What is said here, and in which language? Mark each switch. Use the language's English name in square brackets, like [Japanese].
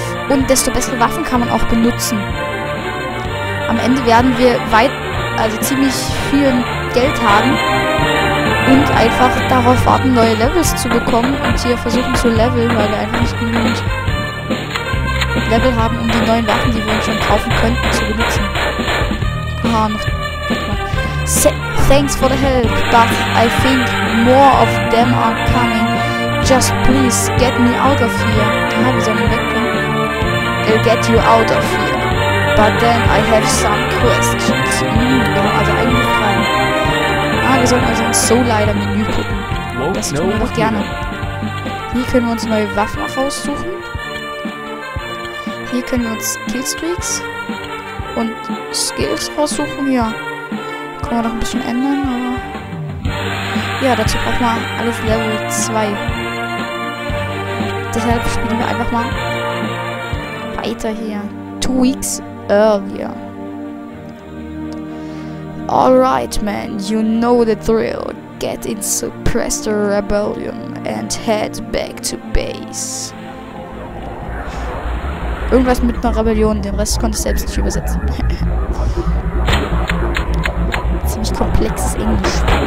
[German] Und desto bessere Waffen kann man auch benutzen. Am Ende werden wir ziemlich viel Geld haben. Und einfach darauf warten, neue Levels zu bekommen. Und hier versuchen zu leveln, weil wir einfach nicht genügend Level haben, um die neuen Waffen, die wir uns schon kaufen könnten, zu benutzen. Aha, noch. [English] Thanks for the help, but I think more of them are coming. Just please get me out of here. [German] Aha, wir sollen wegkommen. [English] I'll get you out of here. But then I have some questions. [German] Also eigentlich Fragen. Ah, wir sollten also ein Soul-Lider-Menü gucken. Das tun wir doch gerne. Hier können wir uns neue Waffen raussuchen. Hier können wir uns Killstreaks und Skills raussuchen, ja. Kann man noch ein bisschen ändern, aber... Ja, dazu braucht man alles Level 2. Deshalb spielen wir einfach mal weiter hier. [English] 2 weeks earlier. Alright, man, you know the drill. Get in Suppressed Rebellion and head back to base. [German] Irgendwas mit einer Rebellion, den Rest konnte ich selbst nicht übersetzen. Ziemlich komplexes Englisch.